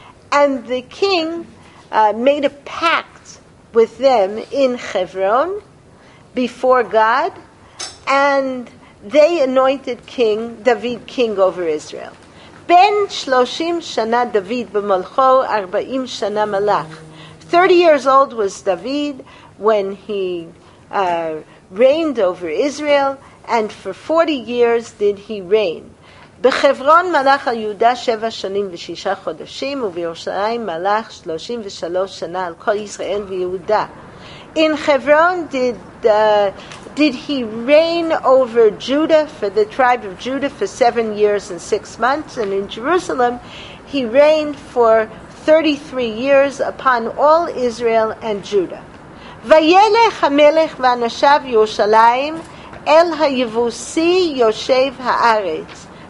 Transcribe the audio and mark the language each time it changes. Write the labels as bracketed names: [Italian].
[English] And the king made a pact with them in Chevron before God, and they anointed King David king over Israel. [Hebrew] Ben 30 shana David b'malcho, 40 shana malach. [English] 30 years old was David when he reigned over Israel, and for 40 years did he reign. [Hebrew] בחברון מלך על יהודה 7 שנים ו6 חודשים ובירושלים מלך 33 שנה על כל ישראל ויהודה. [English] In Hebron did he reign over Judah, for the tribe of Judah, for 7 years and 6 months, and in Jerusalem he reigned for 33 years upon all Israel and Judah. [Hebrew] וילך המלך ואנשיו ירושלים אל היבוסי יושב הארץ.